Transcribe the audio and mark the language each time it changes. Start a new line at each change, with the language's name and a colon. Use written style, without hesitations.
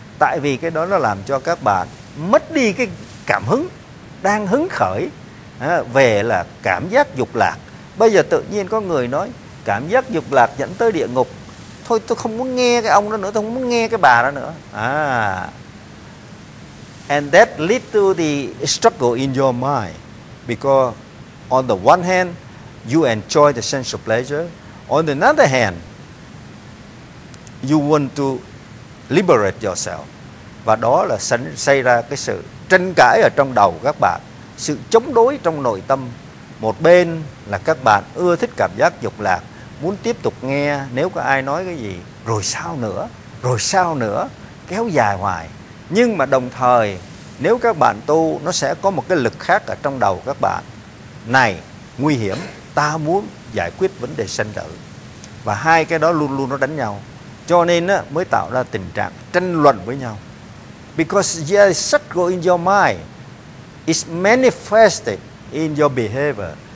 Vietnamese: Tại vì cái đó nó làm cho các bạn mất đi cái cảm hứng, đang hứng khởi về là cảm giác dục lạc. Bây giờ tự nhiên có người nói cảm giác dục lạc dẫn tới địa ngục. Thôi tôi không muốn nghe cái ông đó nữa, tôi không muốn nghe cái bà đó nữa.
English: And that lead to the struggle in your mind. Because on the one hand, you enjoy the sensual pleasure. On the other hand, you want to liberate yourself.
Vietnamese: Và đó là xảy ra cái sự tranh cãi ở trong đầu các bạn. Sự chống đối trong nội tâm. Một bên là các bạn ưa thích cảm giác dục lạc, muốn tiếp tục nghe nếu có ai nói cái gì, rồi sao nữa, kéo dài hoài. Nhưng mà đồng thời, nếu các bạn tu, nó sẽ có một cái lực khác ở trong đầu các bạn. Này, nguy hiểm, ta muốn giải quyết vấn đề sanh tử. Và hai cái đó luôn luôn nó đánh nhau. Cho nên á, mới tạo ra tình trạng tranh luận với nhau.
English: Because there is struggle in your mind, it's manifested in your behavior.